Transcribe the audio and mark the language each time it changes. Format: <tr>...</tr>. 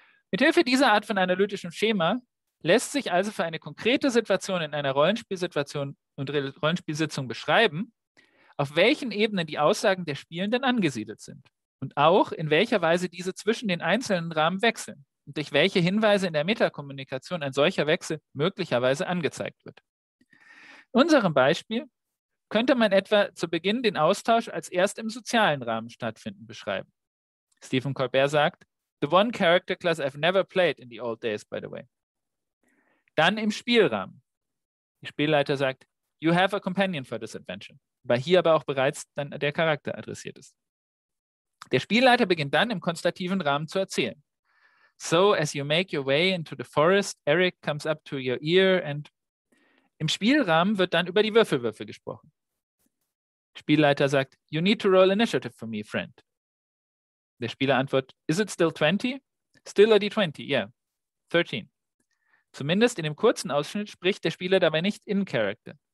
<de>Mithilfe dieser Art von analytischem Schema lässt sich also für eine konkrete Situation in einer Rollenspielsituation und Rollenspielsitzung beschreiben, auf welchen Ebenen die Aussagen der Spielenden angesiedelt sind und auch in welcher Weise diese zwischen den einzelnen Rahmen wechseln und durch welche Hinweise in der Metakommunikation ein solcher Wechsel möglicherweise angezeigt wird. In unserem Beispiel könnte man etwa zu Beginn den Austausch als erst im sozialen Rahmen stattfinden beschreiben.</de> <en>Stephen Colbert sagt, "The one character class I've never played in the old days, by the way."</en> <de>Dann im Spielrahmen. Die Spielleiter sagt,</de> <en>you have a companion for this adventure,</en> <de>weil hier aber auch bereits dann der Charakter adressiert ist. Der Spielleiter beginnt dann im konstativen Rahmen zu erzählen.</de> <en>So as you make your way into the forest, Eric comes up to your ear and...</en> <de>Im Spielrahmen wird dann über die Würfelwürfe gesprochen. Spielleiter sagt,</de> <en>you need to roll initiative for me, friend.</en> <de>Der Spieler antwortet,</de> <en>is it still 20? Still a D20, yeah, 13.</en> <de>Zumindest in dem kurzen Ausschnitt spricht der Spieler dabei nicht in Character.</de>